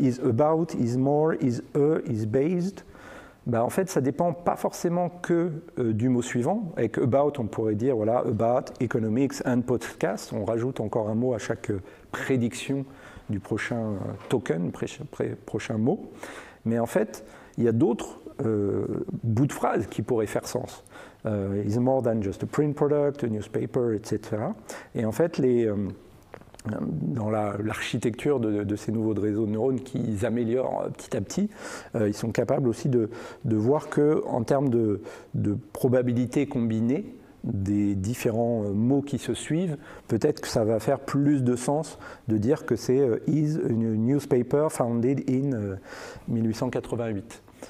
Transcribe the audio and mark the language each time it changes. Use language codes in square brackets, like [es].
[en] Is about, is more, is a, is based. [fr] Ben, en fait, ça dépend pas forcément que du mot suivant. Avec about, on pourrait dire voilà, about economics and podcast. On rajoute encore un mot à chaque prédiction du prochain token, prochain mot. Mais en fait, il y a d'autres bouts de phrases qui pourraient faire sens. [en] Is more than just a print product, a newspaper, etc. [fr] Et en fait, dans l'architecture de ces nouveaux réseaux de neurones qu'ils améliorent petit à petit, ils sont capables aussi de voir qu'en termes de probabilité combinée des différents mots qui se suivent, peut-être que ça va faire plus de sens de dire que c'est is a newspaper founded in 1888.